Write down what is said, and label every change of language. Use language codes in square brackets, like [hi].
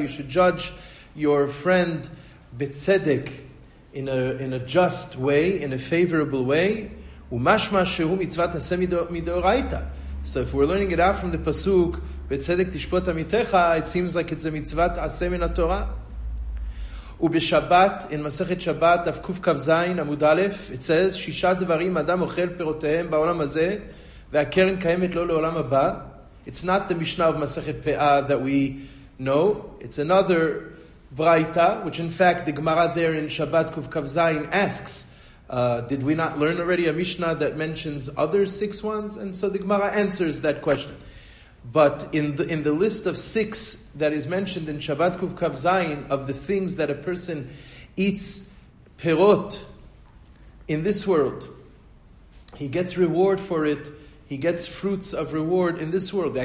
[en] You should judge your friend betzedek in a just way, in a favorable way. [he] Umashma shehu mitzvat asem midoraita. [en] So if we're learning it out from the pasuk [he] betzedek tishpot amitecha, [en] it seems like it's a mitzvat asem in the Torah. [he] ובשבת, in מסכת שבת, אף קוף קו זין, עמוד א', [en] it says, [he] שישה דברים אדם אוכל פירותיהם בעולם הזה, והקרן קיימת לא לעולם הבא. [en] It's not the Mishnah of מסכת פאה that we know. It's another Braita, which in fact, the Gemara there in שבת קוף קו זין asks, did we not learn already a Mishnah that mentions other six ones? And so the Gemara answers that question. But in the list of six that is mentioned in Shabbat Kuv Kav Zayin, of the things that a person eats perot in this world, he gets reward for it, he gets fruits of reward in this world.